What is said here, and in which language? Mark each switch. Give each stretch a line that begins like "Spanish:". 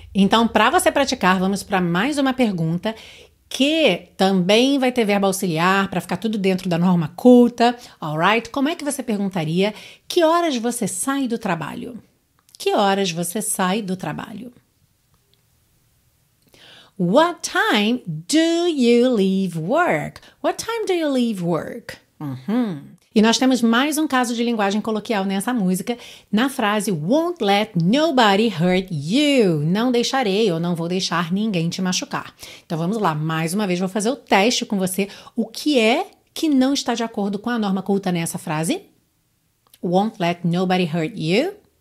Portuguese: Então, para você praticar, vamos para mais uma pergunta, que também vai ter verbo auxiliar para ficar tudo dentro da norma culta. Alright? Como é que você perguntaria que horas você sai do trabalho? Que horas você sai do trabalho?
English: What time do you leave work? What time do you leave work? Uhum.
Portuguese: E nós temos mais um caso de linguagem coloquial nessa música, na frase
English: won't let nobody hurt you.
Portuguese: Não deixarei ou não vou deixar ninguém te machucar. Então vamos lá, mais uma vez vou fazer o teste com você. O que é que não está de acordo com a norma culta nessa frase?
English: Won't let nobody hurt you.